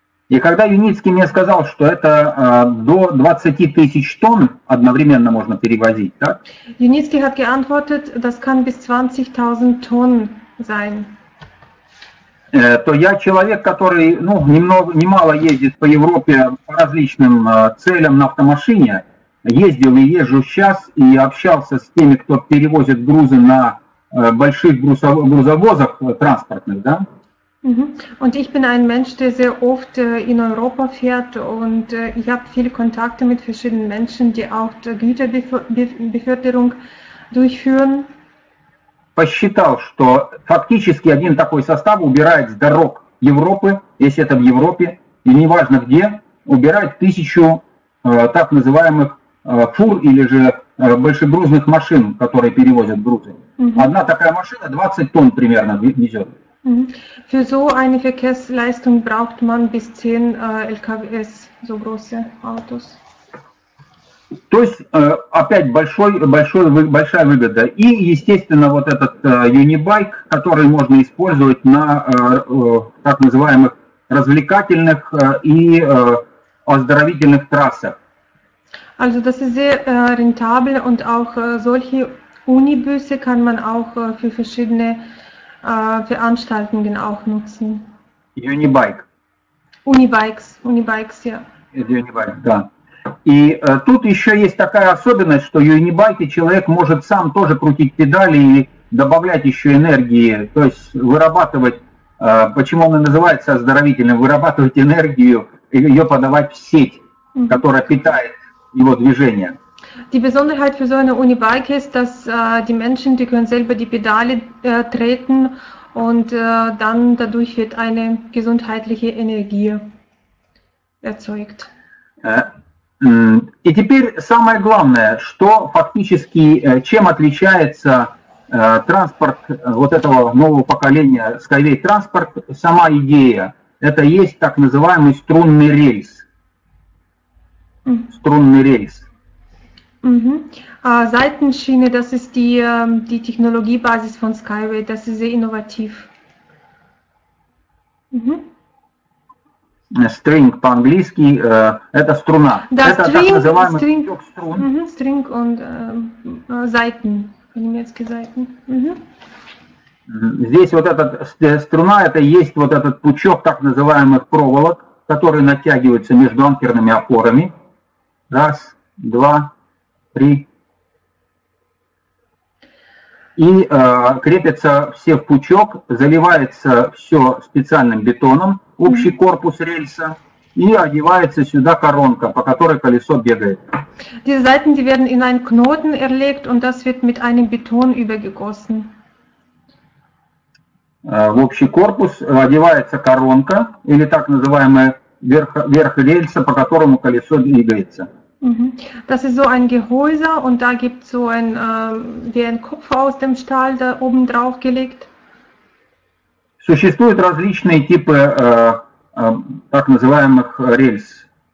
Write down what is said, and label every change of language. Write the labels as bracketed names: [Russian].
[Russian] И когда Юницкий мне сказал, что это до 20 тысяч тонн одновременно можно перевозить, так? [German] Юницкий hat geantwortet, das kann bis 20.000 Tonnen sein. [Russian] То я человек, который ну, немало ездит по Европе по различным целям на автомашине, ездил и езжу сейчас и общался с теми, кто перевозит грузы на больших грузовозах транспортных, да? [German] Und ich bin ein Mensch, der sehr oft in Europa fährt und ich habe viele Kontakte mit verschiedenen Menschen, die auch Güterbeförderung durchführen. [Russian] Посчитал, что фактически один такой состав убирает с дорог Европы, если это в Европе, и неважно где, убирает тысячу так называемых фур или же большегрузных машин, которые перевозят грузы. Одна такая машина 20 тонн примерно везет. [German] Für so eine Verkehrsleistung braucht man bis 10 LKWs, so große Autos. [Russian] То есть опять большая выгода. И, естественно, вот этот юнибайк, который можно использовать на так называемых развлекательных и оздоровительных трассах. [German] Also das ist sehr rentabel und auch solche Unibusse kann man auch für verschiedene Veranstaltungen auch nutzen. [Russian] Юнибайк. Унибайкс, [German] ja. [Russian] Юнибайк, да. И тут еще есть такая особенность, что юнибайки человек может сам тоже крутить педали и добавлять еще энергии, то есть вырабатывать, почему он и называется оздоровительным, вырабатывать энергию и ее подавать в сеть, которая питает его движение. [German] Die Besonderheit für so eine Unibike ist, dass die Menschen, die können selber die Pedale treten und dann dadurch wird eine gesundheitliche Energie erzeugt. [Russian] И теперь самое главное, что фактически, чем отличается транспорт вот этого нового поколения Skyway Transport, сама идея, это есть так называемый струнный рельс. Струнный рельс. [German] Seitenschiene, das ist die Technologiebasis von Skyway, das ist sehr innovativ. [Russian] String по-английски, это струна. Да, это [English] string, [Russian] так называемый [English] string, [Russian] стёк струн. [German] String und Seiten, [Russian] по-немецки [German] Seiten. [Russian] Здесь вот эта струна, это есть вот этот пучок так называемых проволок, которые натягиваются между анкерными опорами. Раз, два, три. И крепятся все в пучок, заливается все специальным бетоном, общий корпус рельса, и одевается сюда коронка, по которой колесо бегает. [German] Diese Seiten, die werden in einen Knoten erlegt und das wird mit einem Beton übergegossen. [Russian] В общий корпус одевается коронка, или так называемая верх рельса, по которому колесо двигается. [German] Das ist so ein Gehäuse und da gibt es so ein, wie ein Kopf aus dem Stahl, da oben drauf gelegt. [Russian] Существуют различные типы так называемых рельс.